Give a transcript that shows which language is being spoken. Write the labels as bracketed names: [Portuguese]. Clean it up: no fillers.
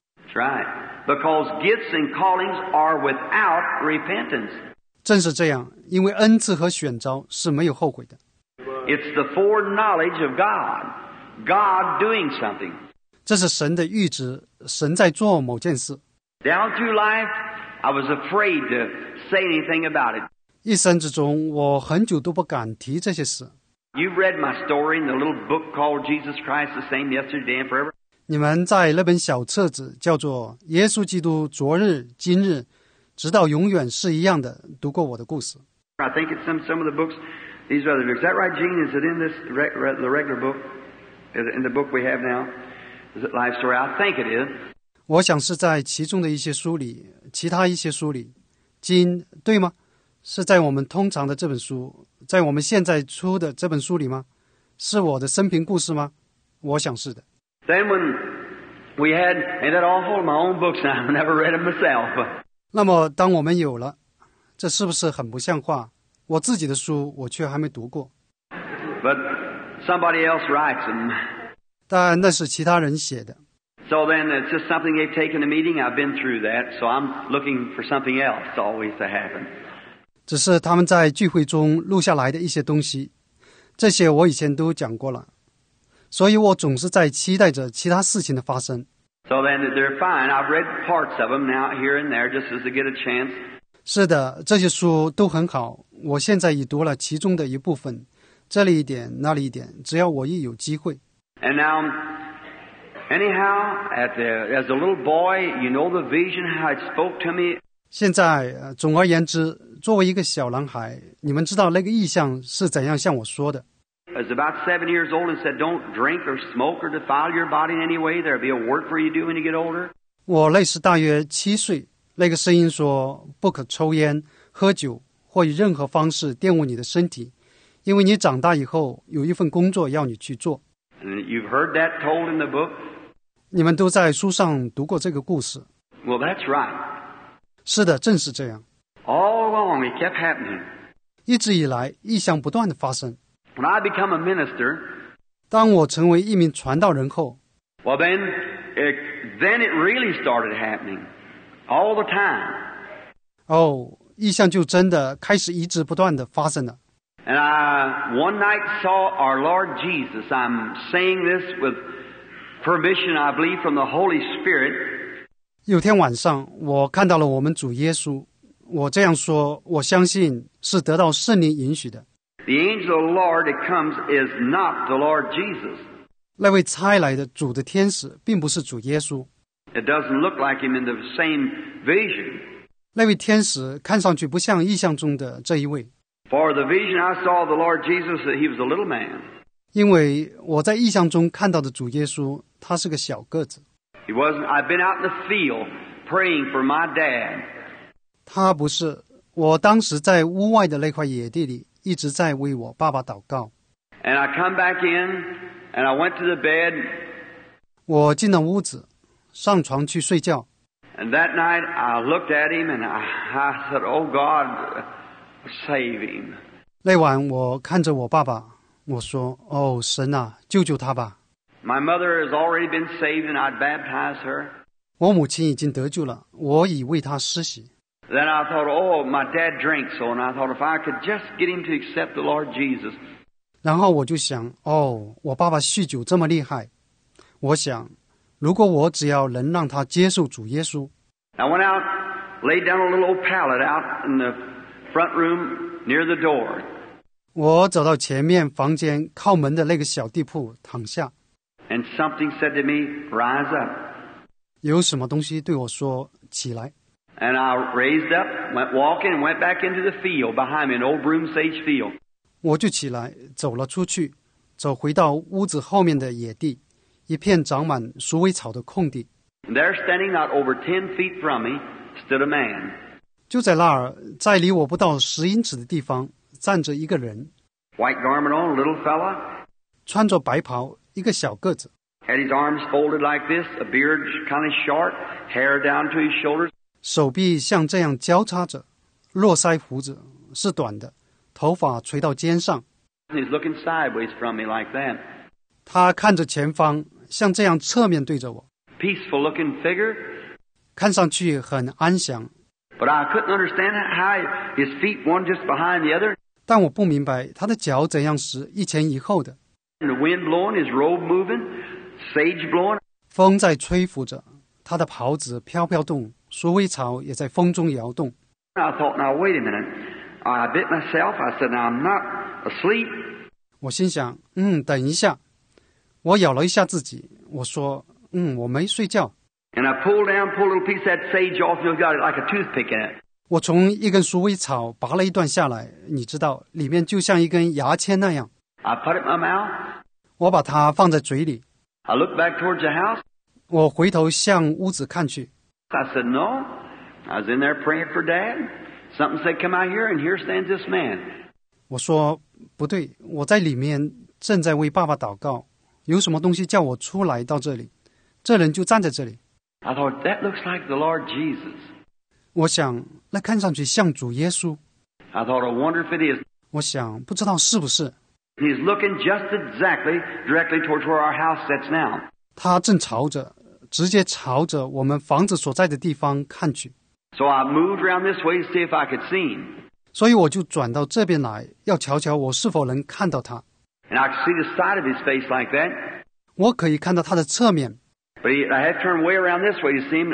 [English] That's right. Because gifts and callings are without repentance. [Chinese] 正是这样，因为恩赐和选召是没有后悔的。 [English] It's the foreknowledge of God. God doing something. [Chinese] 这是神的预知，神在做某件事。 [English] Down through life,I was afraid to say anything about it. [Chinese] 一生之中，我很久都不敢提这些事。 [English] You've read my story in the little book called Jesus Christ, the same yesterday and forever. [Chinese] 你们在那本小册子叫做《耶稣基督昨日、今日、直到永远是一样的》，读过我的故事。 [English] I think it's some of the books. These are the books. Is that right, Gene? Is it in this the regular book? Is it in the book we have now? Is it life story? I think it is. [Chinese] 我想是在其中的一些书里，其他一些书里，金，对吗？是在我们通常的这本书，在我们现在出的这本书里吗？是我的生平故事吗？我想是的。 [English] Then when we had, and that awful of my own books, I've never read them myself. [Chinese] 那么当我们有了，这是不是很不像话？我自己的书我却还没读过。 [English] But somebody else writes them. [Chinese] 但那是其他人写的。 [English] So then, it's just something they've taken a meeting. I've been through that, so I'm looking for something else always to happen. [Chinese] 只是他们在聚会中录下来的一些东西，这些我以前都讲过了。所以我总是在期待着其他事情的发生。 [English] So then they're fine. I've read parts of them now here and there just as to get a chance. [Chinese] 是的，这些书都很好，我现在已读了其中的一部分，这里一点，那里一点，只要我一有机会。 [English] And now, anyhow, as a little boy, you know the vision how it spoke to me. [Chinese] 现在，总而言之，作为一个小男孩，你们知道那个意象是怎样向我说的。 [English] I was about 7 years old and said, don't drink or smoke or defile your body in any way. There'll be a word for you to do when you get older. [Chinese] 我那时大约七岁，那个声音说不可抽烟、喝酒或以任何方式玷污你的身体，因为你长大以后有一份工作要你去做。 [English] And you've heard that told in the book? [Chinese] 你们都在书上读过这个故事。 [English] Well, that's right. [Chinese] 是的，正是这样。 [English] All along, it kept happening. [Chinese] 一直以来，异象不断地发生。 [English] When I become a minister, [Chinese] 当我成为一名传道人后 [English] well, then it really started happening. All the time. [Chinese] 异象就真的开始一直不断地发生了。 [English] And I one night saw our Lord Jesus. I'm saying this with permission, I believe, from the Holy Spirit. [Chinese] 有天晚上，我看到了我们主耶稣。我这样说，我相信是得到圣灵允许的。 [English] The angel of the Lord that comes is not the Lord Jesus. [Chinese] 那位差来的主的天使并不是主耶稣。 [English] It doesn't look like him in the same vision. [Chinese] 那位天使看上去不像异象中的这一位。 [English] For the vision I saw of the Lord Jesus, that he was a little man. [Chinese] 因为我在异象中看到的主耶稣，他是个小个子。 [English] I've been out in the field praying for my dad. [Chinese] 他不是，我当时在屋外的那块野地里一直在为我爸爸祷告。 [English] And I come back in, and I went to the bed. [Chinese] 我进了屋子，上床去睡觉。 [English] And that night I looked at him and I said, "Oh God, save him." [Chinese] 那晚我看着我爸爸，我说：“哦，神啊，救救他吧。 [English] ”My mother has already been saved, and I'd baptize her. [Chinese] 我母亲已经得救了，我已为她施洗。 [English] Then I thought, oh, my dad drinks, so, and I thought if I could just get him to accept the Lord Jesus. [Chinese] 然后我就想，哦，我爸爸酗酒这么厉害，我想，如果我只要能让他接受主耶稣。 [English] I went out, laid down a little old pallet out in the front room near the door. [Chinese] 我走到前面房间靠门的那个小地铺躺下。 [English] And something said to me, "Rise up." [Chinese] 有什么东西对我说，起来。 [English] And I raised up, went walking, and went back into the field behind me, an old broom sage field. [Chinese] 我就起来，走了出去，走回到屋子后面的野地，一片长满鼠尾草的空地。 [English] And there, standing not over 10 feet from me, stood a man. [Chinese] 就在那儿，在离我不到10英尺的地方，站着一个人。 [English] White garment on, little fella. [Chinese] 穿着白袍，一个小个子。 [English] Had his arms folded like this, a beard kind of short, hair down to his shoulders. [Chinese] 手臂像这样交叉着，络腮胡子是短的，头发垂到肩上。 [English] He's looking sideways from me like that. [Chinese] 他看着前方，像这样侧面对着我。 [English] Peaceful looking figure. [Chinese] 看上去很安详。 [English] But I couldn't understand how his feet one just behind the other. [Chinese] 但我不明白他的脚怎样是一前一后的。 [English] And the wind blowing, his robe moving, sage blowing. [Chinese] 风在吹拂着，他的袍子飘飘动。鼠尾草也在风中摇动。 [English] I thought, now wait a minute. I bit myself. I said, now I'm not asleep. [Chinese] 我心想，等一下。我咬了一下自己，我说，我没睡觉。 [English] And I pulled a little piece of that sage off. You got it like a toothpick in it. [Chinese] 我从一根鼠尾草拔了一段下来，你知道，里面就像一根牙签那样。 [English] I put it in my mouth. [Chinese] 我把它放在嘴里。 [English] I looked back towards the house. [Chinese] 我回头向屋子看去。 [English] I said, no, I was in there praying for dad. Something said, come out here, and here stands this man. [Chinese] 我说，不对，我在里面正在为爸爸祷告，有什么东西叫我出来到这里，这人就站在这里。 [English] I thought, that looks like the Lord Jesus. [Chinese] 我想，那看上去像主耶稣。 [English] I thought, I wonder if it is. [Chinese] 我想，不知道是不是。 [English] He's looking just exactly directly towards where our house sits now. [Chinese] 他正朝着直接朝着我们房子所在的地方看去。 [English] So I moved around this way to see if I could see him. [Chinese] 所以我就转到这边来，要瞧瞧我是否能看到他。 [English] And I could see the side of his face like that. [Chinese] 我可以看到他的侧面。 [English] But I had to turn way around this way to see him.